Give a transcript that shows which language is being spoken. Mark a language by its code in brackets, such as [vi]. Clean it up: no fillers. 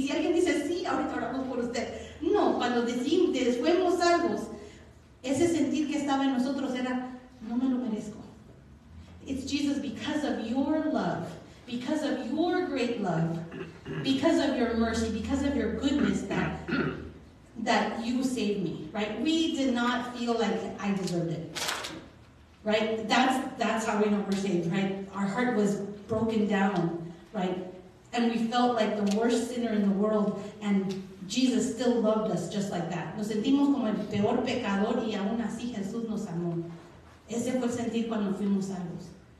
[es] Y si alguien dice sí, ahorita oramos por usted. No, cuando decimos fuimos salvos, ese sentir que estaba en nosotros era, no me lo merezco. [en] It's Jesus, because of your love, because of your great love, because of your mercy, because of your goodness, that you saved me, right? We did not feel like I deserved it, right? That's how we know we're saved, right? Our heart was broken down, right? And we felt like the worst sinner in the world, and Jesus still loved us just like that. [es] Nos sentimos como el peor pecador y aún así Jesús nos amó. Ese fue el sentir cuando fuimos salvos.